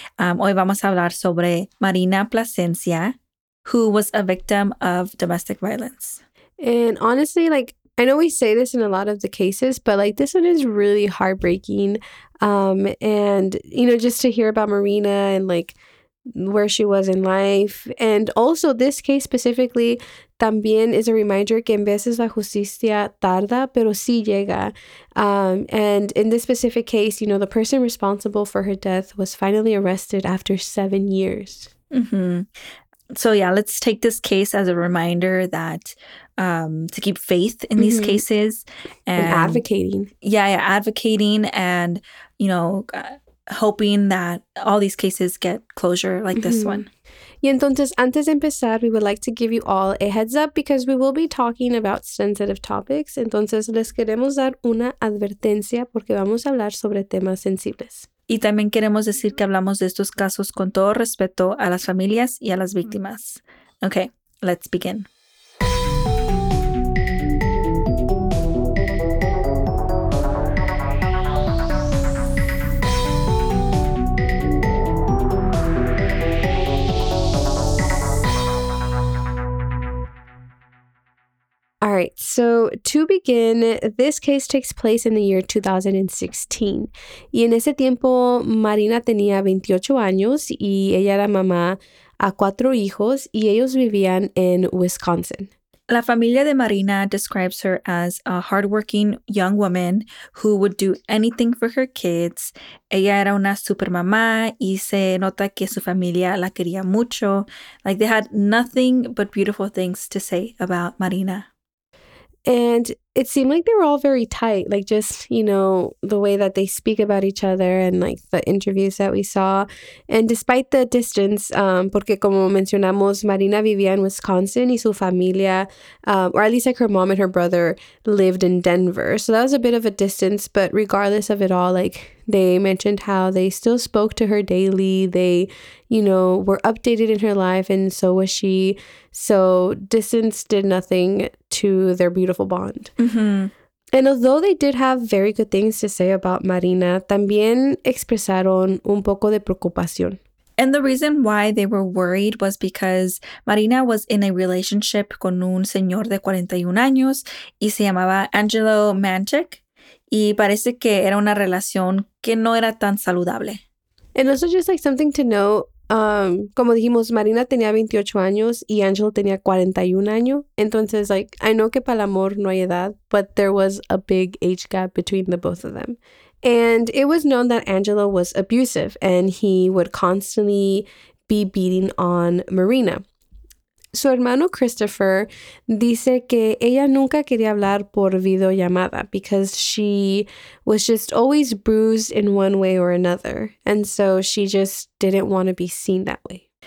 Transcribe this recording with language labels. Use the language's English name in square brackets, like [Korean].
[Spanish] Hoy vamos a hablar sobre [English] Marina Plasencia, who was a victim of domestic violence. And honestly, like, I know we say this in a lot of the cases, but like, this one is really heartbreaking. And, you know, just to hear about Marina and like where she was in life. And also this case specifically, también is a reminder [Spanish] que en veces la justicia tarda, pero sí llega. [English] And in this specific case, you know, the person responsible for her death was finally arrested after 7 years. Mm-hmm. So yeah, let's take this case as a reminder that to keep faith in these cases. And advocating. Yeah, advocating and, you know, hoping that all these cases get closure like this one. [Spanish] Y entonces, antes de empezar, [English] we would like to give you all a heads up because we will be talking about sensitive topics. [Spanish] Entonces, les queremos dar una advertencia porque vamos a hablar sobre temas sensibles. Y también queremos decir que hablamos de estos casos con todo respeto a las familias y a las víctimas. [English] Okay, let's begin. All right, so to begin, this case takes place in the year 2016. [Spanish] Y en ese tiempo, Marina tenía 28 años y ella era mamá a 4 hijos y ellos vivían en Wisconsin. La familia de [English] Marina describes her as a hardworking young woman who would do anything for her kids. [Spanish] Ella era una super mamá y se nota que su familia la quería mucho. [English] Like, they had nothing but beautiful things to say about Marina. And it seemed like they were all very tight, like just, you know, the way that they speak about each other and like the interviews that we saw. And despite the distance, [Spanish] porque como mencionamos, Marina vivía en Wisconsin y su familia, [English] or at least like her mom and her brother lived in Denver. So that was a bit of a distance. But regardless of it all, like they mentioned how they still spoke to her daily. They, you know, were updated in her life and so was she. So distance did nothing to their beautiful bond. And although they did have very good things to say about Marina, [Spanish] también expresaron un poco de preocupación. [English] And the reason why they were worried was because Marina was in a relationship [Spanish] con un señor de 41 años y se llamaba Angelo Manchik. Y parece que era una relación que no era tan saludable. [English] And also just like something to note, [Spanish] como dijimos, Marina tenía 28 años y Angelo tenía 41 años. [English] Entonces, like, I know [Spanish] que para el amor no hay edad, [English] but there was a big age gap between the both of them. And it was known that Angelo was abusive and he would constantly be beating on Marina. [Spanish] Su hermano Christopher dice que ella nunca quería hablar por videollamada [English] because she was just always bruised in one way or another. And so she just didn't want to be seen that way.